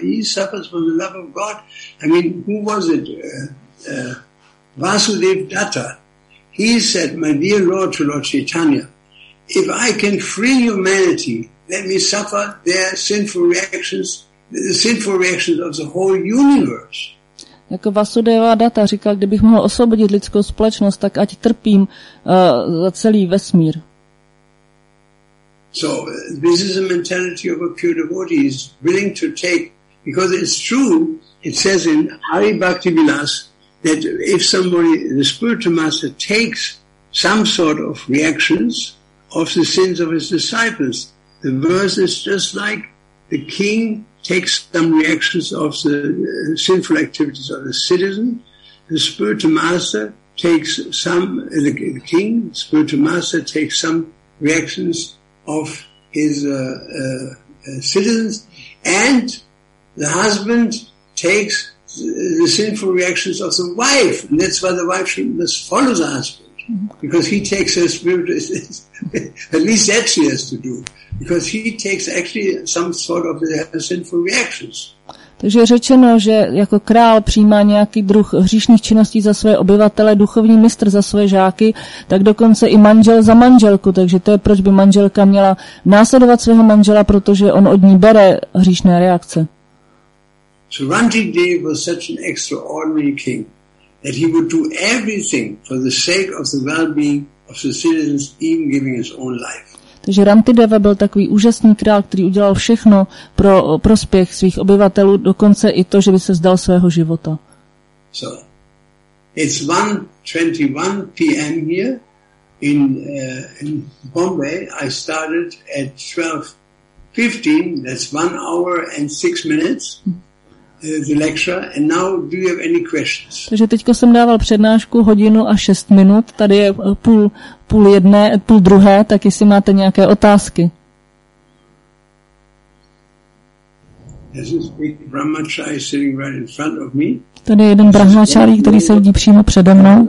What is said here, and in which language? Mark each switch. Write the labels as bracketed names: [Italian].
[English] He suffers from the love of God. I mean, who was it? Vasudev Datta. He said, my dear Lord to Lord Chaitanya, if I can free humanity, let me suffer their sinful reactions, the sinful reactions of the whole universe. [Czech] Jako Vasudeva Datta říkal, kdybych mohl osvobodit lidskou společnost, tak ať trpím za celý vesmír. [English] So this is a mentality of a pure devotee. He's willing to take, because it's true, it says in Hari Bhakti Vilas, that if somebody, the spiritual master, takes some sort of reactions of the sins of his disciples. The verse is just like the king takes some reactions of the sinful activities of the citizen. The spiritual master takes some, the king, spiritual master takes some reactions of his citizens, and the husband takes the sinful reactions of the wife, and that's why the wife must follow the husband, because he takes her spiritual, at least that she has to do, because he takes actually some sort of the sinful reactions. [Czech] Takže je řečeno, že jako král přijímá nějaký druh hříšných činností za své obyvatele, duchovní mistr za své žáky, tak dokonce i manžel za manželku. Takže to je, proč by manželka měla následovat svého manžela, protože on od ní bere hříšné reakce. [English] So Rantidev was such an extraordinary king that he would do everything for the sake of the well-being of the citizens, even giving his own life. [Czech] Takže Rantideva byl takový úžasný král, který udělal všechno pro prospěch svých obyvatelů, dokonce i to, že by se vzdal svého života. [English] So, it's 1:21 p.m. here in Bombay. I started at 12:15. That's 1 hour and 6 minutes. The lecture. And now, do you have any questions? [Czech] Takže teďko jsem dával přednášku hodinu a 6 minut. Tady je půl jedné, půl druhé, tak jestli máte nějaké otázky. [English] This is big Brahmachari sitting right in front of me. [Czech] Tady je jeden Brahmachari, který se vidí přímo přede mnou.